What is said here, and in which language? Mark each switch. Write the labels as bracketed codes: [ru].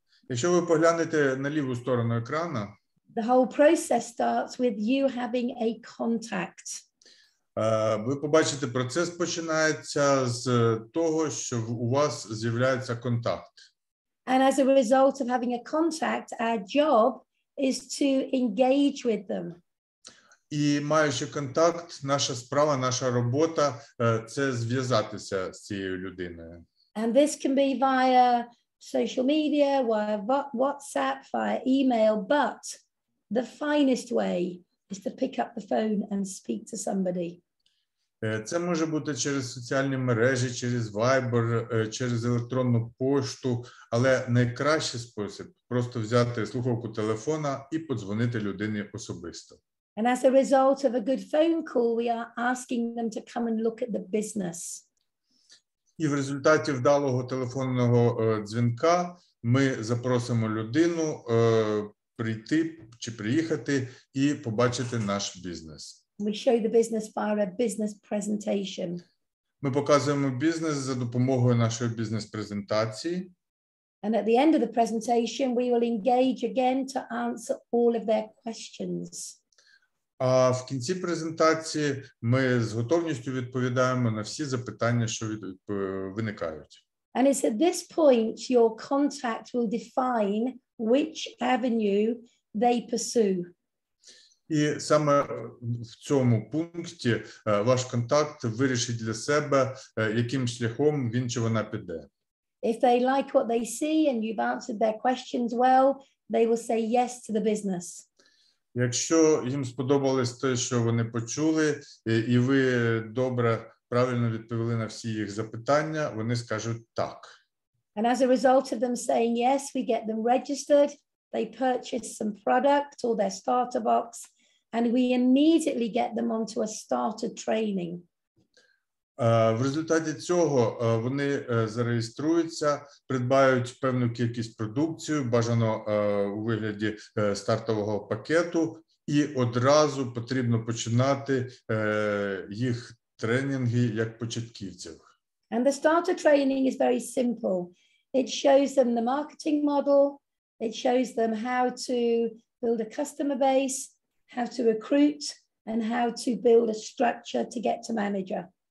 [uk] якщо ви поглянете на ліву сторону екрана, [en] the whole process starts with you having a contact. [uk] Ви побачите, процес починається з того, що у вас з'являється контакт. [en] And as a result of having a contact, our job is to engage with them. [uk] І маючи контакт, наша справа, наша робота це зв'язатися з цією людиною. [en] And this can be via social media, via WhatsApp, via email, but the finest way is to pick up the phone and speak to somebody. [uk] Це може бути через соціальні мережі, через Viber, через електронну пошту, але найкращий спосіб – просто взяти слухавку телефона і подзвонити людині особисто. [en] And as a result of a good phone call, we are asking them to come and look at the business. [uk] І в результаті вдалого телефонного дзвінка ми запросимо людину прийти чи приїхати і побачити наш бізнес. [en] We show the business via a business presentation. [uk] Ми показуємо бізнес за допомогою нашої бізнес-презентації. [en] And at the end of the presentation, we will engage again to answer all of their questions. [uk] А в кінці презентації ми з готовністю відповідаємо на всі запитання, що виникають. [en] And it's at this point your contact will define which avenue they pursue. [uk] І саме в цьому пункті ваш контакт вирішить для себе, яким шляхом він чи вона піде. [en] If they like what they see and you've answered their questions well, they will say yes to the business. [uk] Якщо їм сподобалось те, що вони почули, і ви добре, правильно відповіли на всі їх запитання, вони скажуть так. [en] And as a result of them saying yes, we get them registered, they purchase some product or their starter box, and we immediately get them onto a starter training. [uk] В результаті цього вони зареєструються, придбають певну кількість продукції, бажано у вигляді стартового пакету, і одразу потрібно починати їх тренінги як початківців. [en] And the starter training is very simple. It shows them the marketing model, it shows them how to build a customer base, how to recruit, and how to build a structure to get to manager.